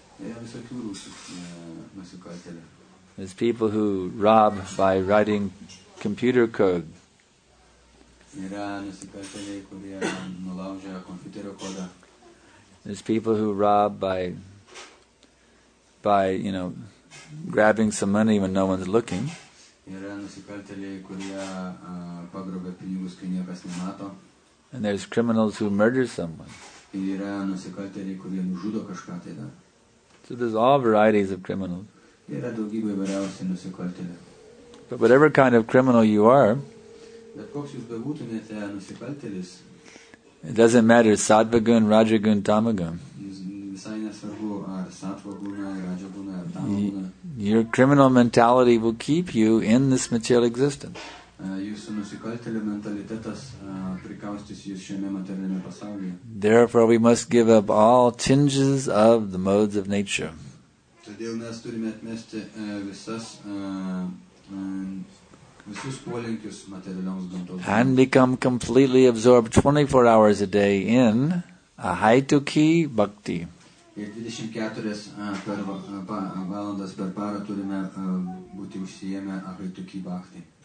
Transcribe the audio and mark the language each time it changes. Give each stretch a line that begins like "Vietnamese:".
English: There's people who rob by writing computer code. There's people who rob by grabbing some money when no one's looking.
Lithuanian: Yra nusikalteliai, kurie pagrobė pinigus, kai niekas nemato.
English: And there's criminals who murder someone.
Lithuanian: Yra nusikalteliai, kurie nužudo kažką tai dar.
English: So there's all varieties of criminals.
Lithuanian: Yra daugybė įvairiausių nusikalteliai.
English: But whatever kind of criminal you are,
Lithuanian: bet koks jūs bebūtumėte nusikaltelis,
English: it doesn't matter, sattvagun, rajagun, tamagun.
Lithuanian: Visai nesvarbu, ar sattvaguna, rajaguna, ar tamaguna.
English: Your criminal mentality will keep you in this material existence.
Lithuanian: Jūsų nusikaltėlio mentalitetas prikaustys jūs šiame materialiame pasaulyje.
English: Therefore, we must give up all tinges of the modes of nature.
Lithuanian: Todėl mes turime atmesti visas visus polinkius materialioms gamtos.
English: And become completely absorbed 24 hours a day in ahaituki bhakti.
Lithuanian: Ir 24 valandas per parą turime būti užsiėmę ahaituki bhakti.